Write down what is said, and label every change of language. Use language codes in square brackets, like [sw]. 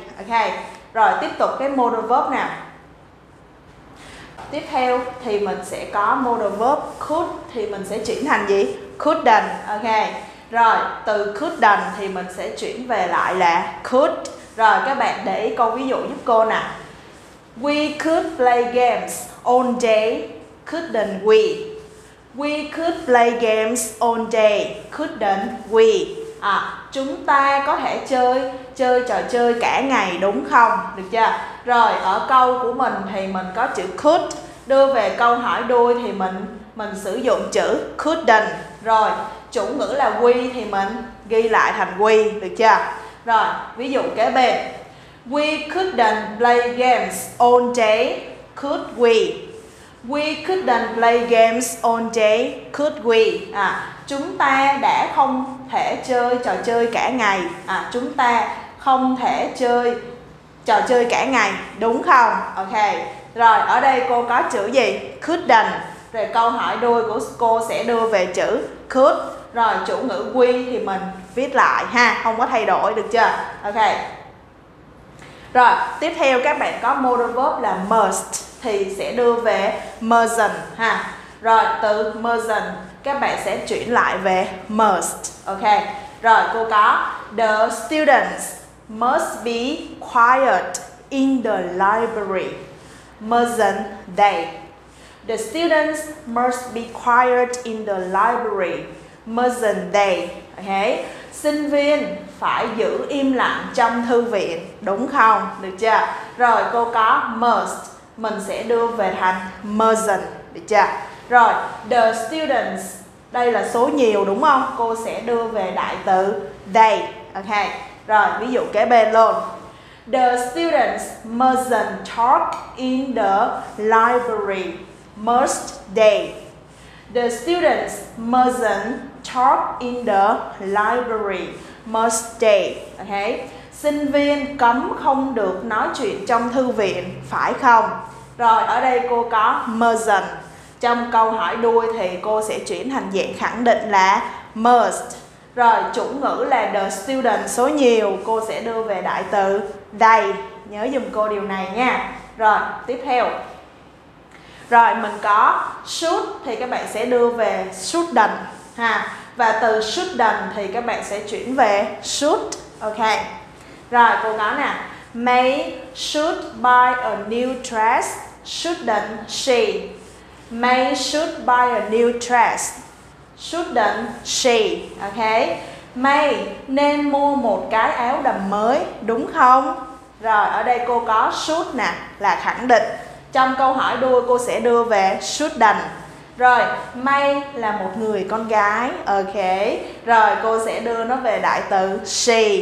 [vi] Ok, rồi tiếp tục cái modal verb nào. Tiếp theo thì mình sẽ có modal verb could, thì mình sẽ chuyển thành gì? Couldn't. Ok, rồi từ couldn't thì mình sẽ chuyển về lại là could. Rồi các bạn để ý câu ví dụ giúp cô nè. [en] We could play games all day, couldn't we? We could play games all day, couldn't we? [vi] À, chúng ta có thể chơi trò chơi cả ngày, đúng không? Được chưa? Rồi, ở câu của mình thì mình có chữ could, đưa về câu hỏi đuôi thì mình sử dụng chữ couldn't. Rồi, chủ ngữ là we thì mình ghi lại thành we, được chưa? Rồi, ví dụ kế bên. [en] We couldn't play games all day, could we? We couldn't play games all day, could we? [vi] À, chúng ta đã không thể chơi trò chơi cả ngày. À, chúng ta không thể chơi trò chơi cả ngày, đúng không? Ok, rồi ở đây cô có chữ gì? Couldn't. Rồi câu hỏi đuôi của cô sẽ đưa về chữ could. Rồi chủ ngữ we thì mình viết lại ha, không có thay đổi, được chưa? Ok, rồi tiếp theo các bạn có modal verb là must, thì sẽ đưa về mustn't ha. Rồi từ mustn't các bạn sẽ chuyển lại về must. [en] Ok, [vi] rồi cô có [en] the students must be quiet in the library, mustn't they? The students must be quiet in the library, mustn't they? Okay. [vi] Sinh viên phải giữ im lặng trong thư viện, đúng không? Được chưa? Rồi cô có must, mình sẽ đưa về thành mustn't, được chưa? Rồi the students, đây là số nhiều đúng không? Cô sẽ đưa về đại từ they. Okay. Rồi ví dụ kế bên luôn. [en] The students mustn't talk in the library, must they? The students mustn't talk in the library, must they? Okay. [vi] Sinh viên cấm không được nói chuyện trong thư viện, phải không? Rồi ở đây cô có mustn't. Trong câu hỏi đuôi thì cô sẽ chuyển thành dạng khẳng định là must. Rồi chủ ngữ là the student số nhiều, cô sẽ đưa về đại từ they. Nhớ giùm cô điều này nha. Rồi tiếp theo. Rồi mình có should thì các bạn sẽ đưa về shouldn't ha. Và từ shouldn't thì các bạn sẽ chuyển về should. Ok. Rồi cô nói nè. [en] May should buy a new dress, shouldn't she? May should buy a new dress, shouldn't she? Okay. [vi] May nên mua một cái áo đầm mới, đúng không? Rồi ở đây cô có should nè, là khẳng định. Trong câu hỏi đuôi cô sẽ đưa về shouldn't. Rồi, May là một người con gái. Ok. Rồi, cô sẽ đưa nó về đại từ she.